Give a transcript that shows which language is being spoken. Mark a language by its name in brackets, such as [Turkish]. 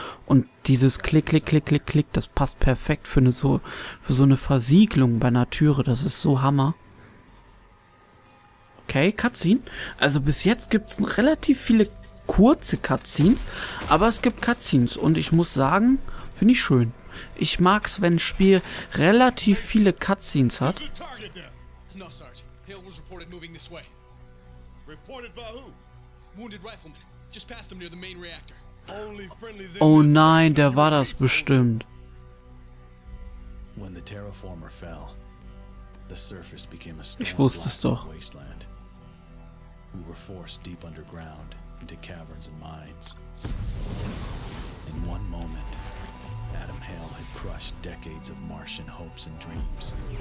[German] Und dieses Klick, Klick, Klick, Klick, Klick, das passt perfekt für so eine Versiegelung bei einer Türe. Das ist so Hammer. Okay, Cutscene. Also bis jetzt gibt es relativ viele kurze Cutscenes, aber es gibt Cutscenes. Und ich muss sagen... Finde ich schön. Ich mag's, wenn ein Spiel relativ viele Cutscenes hat. [English] No, Sarge. Hill was reported moving this way. Reported by who? Wounded rifleman. Just passed him near the main reactor. Only friendly. [German] Oh nein, der war das bestimmt. [English] When the terraformer fell, the surface became a storm. [German] Ich wusste es doch. [English] We were forced deep underground into caverns and mines. In one moment. Adam Hale had crushed decades of Martian hopes and dreams.